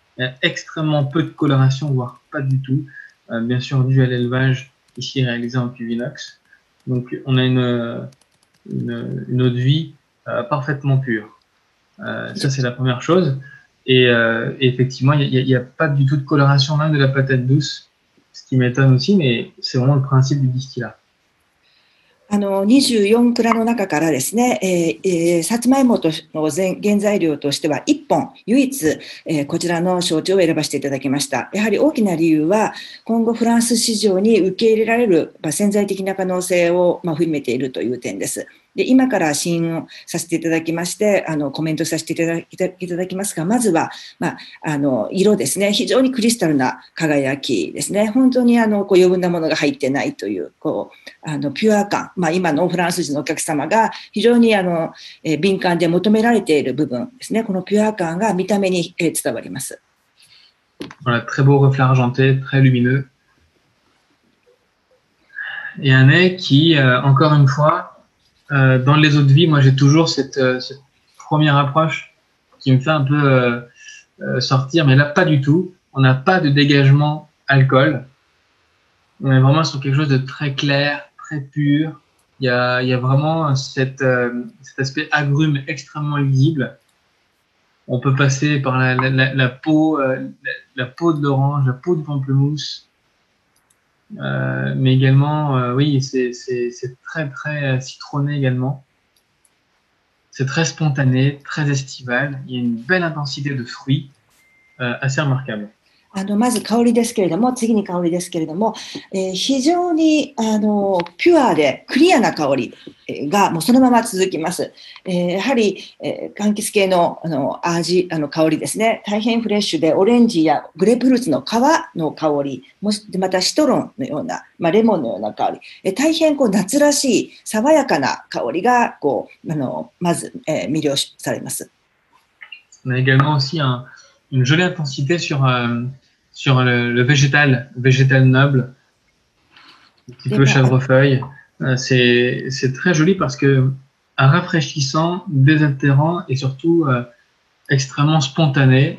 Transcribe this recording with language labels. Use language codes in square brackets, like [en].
[fr] Il y a extrêmement peu de coloration, voire pas du tout, bien sûr dû à l'élevage ici réalisé en cuvinox. Donc on a une eau de vie parfaitement pure. Ça c'est la première chose. Et effectivement il n'y a pas du tout de coloration même de la patate douce. ce qui m'étonne aussi, mais c'est vraiment le principe du distillat. [ja] あの24蔵の中からですね、さつまいもとの原材料としては1本唯一、こちらの焼酎を選ばせていただきました。やはり大きな理由は今後フランス市場に受け入れられる、まあ、潜在的な可能性を、まあ、踏めているという点です。で今から試飲をさせていただきましてあのコメントさせていただきますがまずは、まあ、あの色ですね非常にクリスタルな輝きですね本当にあのこう余分なものが入ってないとい う, こうあのピュア感、まあ、今のフランス人のお客様が非常にあの、敏感で求められている部分ですねこのピュア感が見た目に伝わります [fr] Voilà, très beau reflet argenté, très lumineux. Et un nez qui, encore une fois,dans les eaux de vie, moi j'ai toujours cette première approche qui me fait un peu sortir, mais là pas du tout. On n'a pas de dégagement alcool. On est vraiment sur quelque chose de très clair, très pur. Il y a vraiment cet aspect agrume extrêmement lisible. On peut passer par la peau de l'orange, la peau de pamplemousse. Mais également, oui, c'est très très citronné également. C'est très spontané, très estival. Il y a une belle intensité de fruits, assez remarquable. [ja] あのまず香りですけれども、次に香りですけれども、非常にあのピュアでクリアな香りがもうそのまま続きます。やはり、柑橘系の、あの味、あの香りですね、大変フレッシュで、オレンジやグレープフルーツの皮の香り、もしまたシトロンのような、まあ、レモンのような香り、大変こう夏らしい爽やかな香りがこうあのまず、魅了されます。 [fr] Une jolie intensité sur le végétal noble, un petit peu chèvrefeuille. C'est très joli parce que rafraîchissant, désaltérant et surtout extrêmement spontané.